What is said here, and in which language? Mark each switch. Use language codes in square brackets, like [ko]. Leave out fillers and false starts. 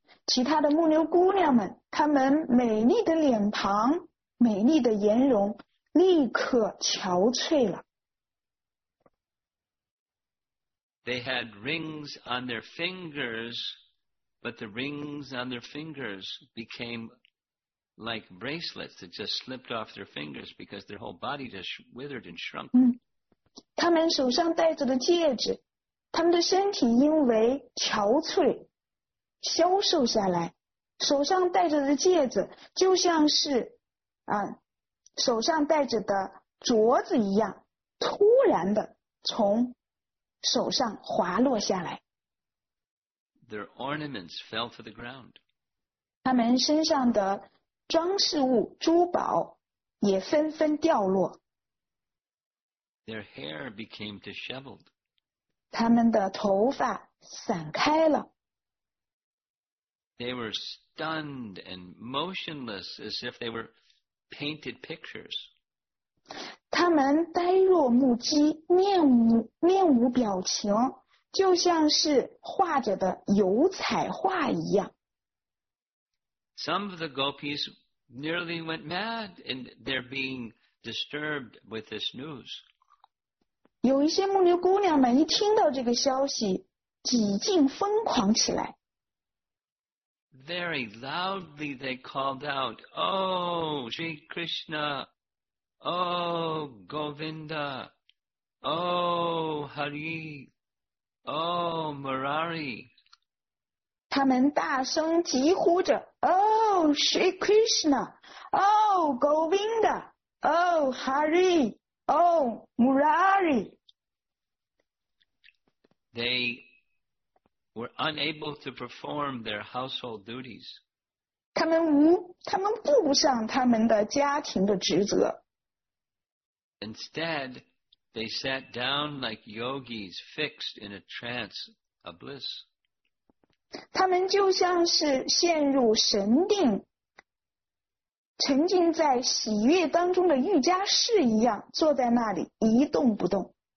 [zh] 其他的牧牛姑娘们她们美丽的脸庞美丽的颜容立刻憔悴了。 [en] They had rings on their fingers, but the rings on their fingers became like bracelets that just slipped off their fingers because their whole body just withered and shrunk.、 [zh] 嗯、他们手上戴着的戒指，他们的身体因为憔悴消瘦下来，手上戴着的戒指就像是。手上戴着的镯子一样突然的从手上滑落下来 [en] Their ornaments fell to the ground [zh] 他们身上的装饰物珠宝也纷纷掉落 [en] Their hair became disheveled [zh] 他们的头发散开了 [en] They were stunned and motionless as if they werePainted pictures. [zh] 他们呆若木鸡，面无表情，就像是画着的油彩画一样。 [en] Some of the gopis nearly went mad in their being disturbed with this news. [zh] 有一些牧牛姑娘们一听到这个消息，几近疯狂起来。 [en] Very loudly they called out, Oh, Shri Krishna, Oh, Govinda, Oh, Hari, Oh, Murari. [zh] 他们大声疾呼着 Oh, Shri Krishna! [en] Oh, Govinda! Oh, Hari! Oh, Murari! They were unable to perform their household duties. [zh] 他们顾不上他们的家庭的职责。 [en] Instead, they sat down like yogis fixed in a trance of bliss. [zh] 他们就像是陷入神定，沉浸在喜悦当中的瑜伽士一样，坐在那里一动不动。